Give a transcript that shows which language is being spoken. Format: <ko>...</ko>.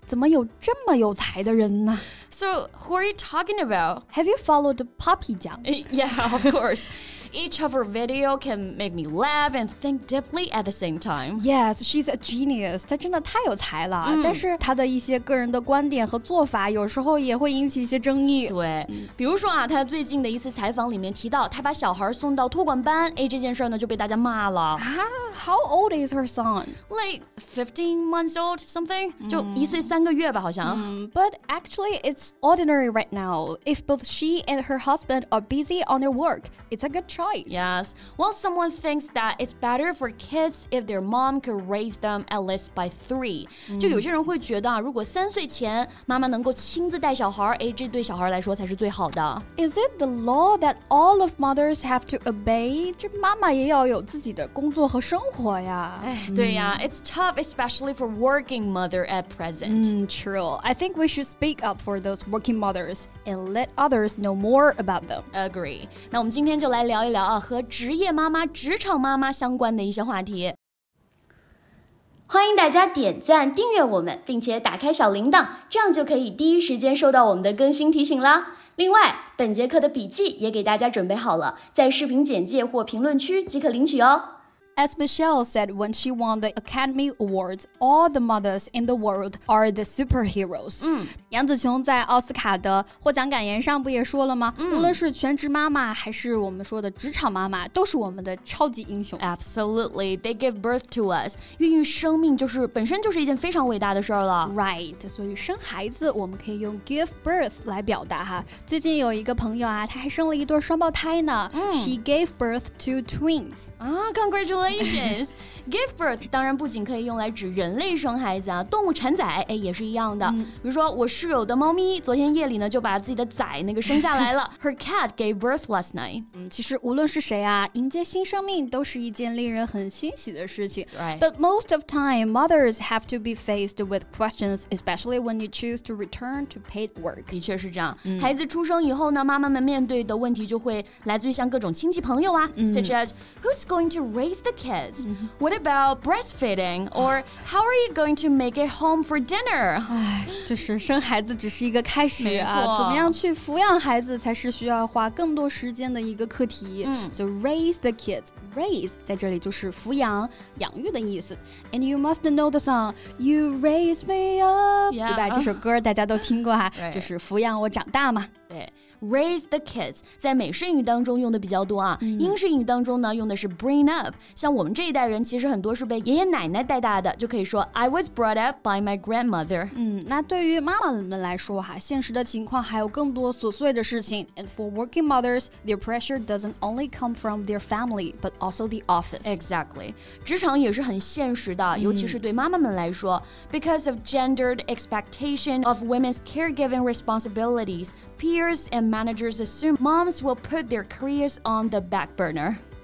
<zh>怎么有这么有才的人呢？</zh> <en>So, who are you talking about? Have you followed Poppy 酱? Yeah, of course. Each of her video can make me laugh and think deeply at the same time. Yes, she's a genius.</en> <zh>她真的太有才了。Mm. 但是她的一些个人的观点和做法有时候也会引起一些争议。对。Mm. 比如说啊，她最近的一次采访里面提到她把小孩送到托管班。哎，这件事呢就被大家骂了。</zh> <en>How old is her son? Like 15 months old, something? Mm.</en> <zh>就一岁三个月吧好像。</zh> <en>Mm. But actually, it's ordinary right now. If both she and her husband are busy on their work, it's a good choice. Yes. Well, someone thinks that it's better for kids if their mom could raise them at least by three. Mm.</en> <zh>就有些人会觉得啊，如果三岁前妈妈能够亲自带小孩，哎，这对小孩来说才是最好的。</zh> <en>Is it the law that all of mothers have to obey?</en> <zh>这妈妈也要有自己的工作和生活呀。哎，对呀、mm.</zh> <en>It's tough, especially for working mother at present. Mm, true. I think we should speak up for those working mothers and let others know more about them. Agree.</en> <zh>那我们今天就来聊一聊、啊、和职业妈妈、职场妈妈相关的一些话题。欢迎大家点赞、订阅我们，并且打开小铃铛，这样就可以第一时间收到我们的更新提醒啦。另外，本节课的笔记也给大家准备好了，在视频简介或评论区即可领取哦。</zh> <en>As Michelle said when she won the Academy Awards, all the mothers in the world are the superheroes.</en> <zh>嗯，杨紫琼在奥斯卡的获奖感言上不也说了吗？嗯，无论是全职妈妈还是我们说的职场妈妈，都是我们的超级英雄。</zh> <en>Absolutely, they give birth to us.</en> <zh>孕育生命就是本身就是一件非常伟大的事儿了。 Right, 所以生孩子我们可以用 give birth 来表达哈。最近有一个朋友啊，她还生了一对双胞胎呢。嗯、</zh> <en>She gave birth to twins.</en> <zh>Congratulations. Congratulations! Give birth 当然不仅可以用来指人类生孩子啊，动物产崽哎也是一样的。比如说我室友的猫咪昨天夜里呢就把自己的崽那个生下来了。</zh> <en>Her cat gave birth last night.</en> <zh>其实无论是谁啊，迎接新生命都是一件令人很欣喜的事情。</zh> <en>Right. But most of time, mothers have to be faced with questions, especially when you choose to return to paid work.</en> <zh>的确是这样。孩子出生以后呢，妈妈们面对的问题就会来自于像各种亲戚朋友啊，</zh> <en>such as who's going to raise the kids? What about breastfeeding? Or how are you going to make it home for dinner?</en> <zh>唉，就是生孩子只是一个开始啊，没错，怎么样去抚养孩子才是需要花更多时间的一个课题。</zh> <en>So raise the kids.</en> <zh>Raise 在这里就是抚养、养育的意思。</zh> <en>And you must know the song, You Raise Me Up, yeah,</en> <zh>对吧？这首歌大家都听过哈，</zh> <en>right.</en> <zh>就是抚养我长大嘛。对 ，raise the kids 在美式英语当中用的比较多啊，英式英语当中呢用的是 bring up。像我们这一代人其实很多是被爷爷奶奶带大的，就可以说</zh> <en>I was brought up by my grandmother。</en> <zh>那对于妈妈们来说哈，现实的情况还有更多琐碎的事情。</zh> <en>And for working mothers, their pressure doesn't only come from their family, but also the office.</en> <zh>Exactly， 职场也是很现实的，尤其是对妈妈们来说 ，</zh> <en>because of gendered expectation of women's caregiving responsibilities。 Peers and managers assume moms will put their careers on the back burner.</en>